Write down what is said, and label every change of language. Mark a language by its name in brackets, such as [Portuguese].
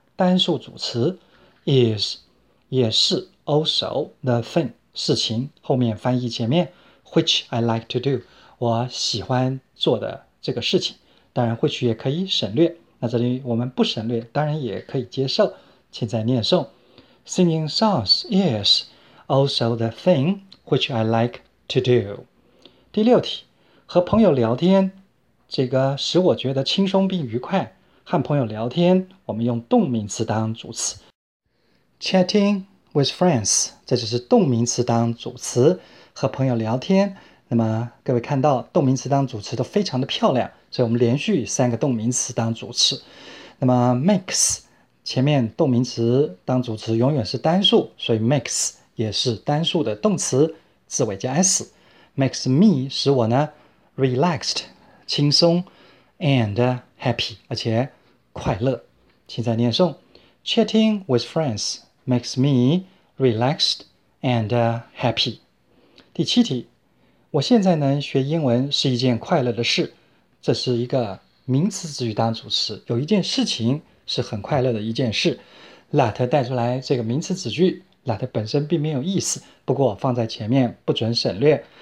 [Chinese] 单数主词 is 也是 [English] also the thing [Chinese] 事情后面翻译前面 [English] which I like to do [Chinese] 我喜欢做的这个事情，当然 which 也可以省略。那这里我们不省略，当然也可以接受。请再念诵： [English] Singing songs is also the thing which I like to do。 [Chinese] 第六题，和朋友聊天，这个使我觉得轻松并愉快。和朋友聊天，我们用动名词当主词， [English] chatting with friends， [Chinese] 这就是动名词当主词，和朋友聊天。那么各位看到动名词当主词都非常的漂亮，所以我们连续三个动名词当主词。那么 makes 前面动名词当主词永远是单数，所以 makes 也是单数的动词，字尾加 s， [English] makes me [Chinese] 使我呢 [English] relaxed [Chinese] 轻松， [English] and happy [Chinese] 而且。快乐，请再念诵。 [English] Chatting with friends makes me relaxed and happy。 [Chinese] 第七题，我现在能学英文是一件快乐的事。这是一个名词子句当主词，有一件事情是很快乐的一件事。 That 带出来这个名词子句，that 本身并没有意思，不过放在前面不准省略。